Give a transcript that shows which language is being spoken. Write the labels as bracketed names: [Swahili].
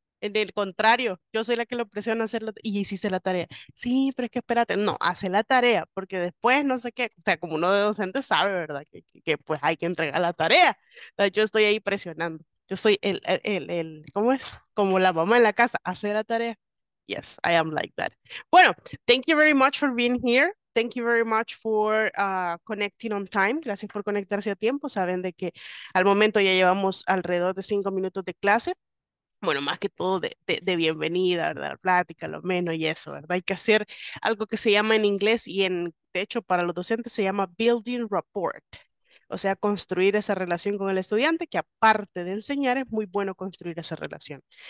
[Spanish] En el contrario, yo soy la que lo presiona a hacer y hiciste la tarea. Sí, pero es que espérate. No, hace la tarea, porque después no sé qué. O sea, como uno de docentes sabe, ¿verdad? Que pues hay que entregar la tarea. O sea, yo estoy ahí presionando. Yo soy el, ¿cómo es? Como la mamá en la casa, hace la tarea. [English] Yes, I am like that. Bueno, thank you very much for being here. Thank you very much for connecting on time. [Spanish] Gracias por conectarse a tiempo. Saben de que al momento ya llevamos alrededor de 5 minutos de clase. Bueno, más que todo de bienvenida, ¿verdad? La plática, lo menos y eso, ¿verdad? Hay que hacer algo que se llama en inglés y en, de hecho, para los docentes se llama building rapport. O sea, construir esa relación con el estudiante, que aparte de enseñar, es muy bueno construir esa relación.